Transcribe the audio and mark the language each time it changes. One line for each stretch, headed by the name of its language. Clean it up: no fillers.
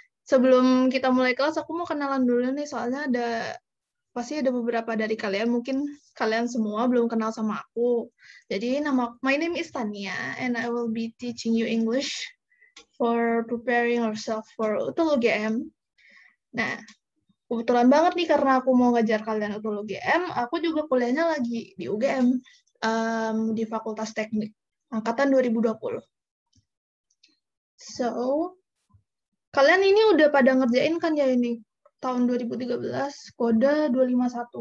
Indonesian: Sebelum kita mulai kelas, aku mau kenalan dulu nih, soalnya ada, pasti ada beberapa dari kalian, mungkin kalian semua belum kenal sama aku.
English: Jadi, my name is Tania, and I will be teaching you English for preparing yourself for UTUL UGM.
Indonesian: Nah, kebetulan banget nih karena aku mau ngajar kalian UTUL UGM, aku juga kuliahnya lagi di UGM, di Fakultas Teknik, Angkatan 2020. So, kalian ini udah pada ngerjain kan ya ini, tahun 2013, kode 251.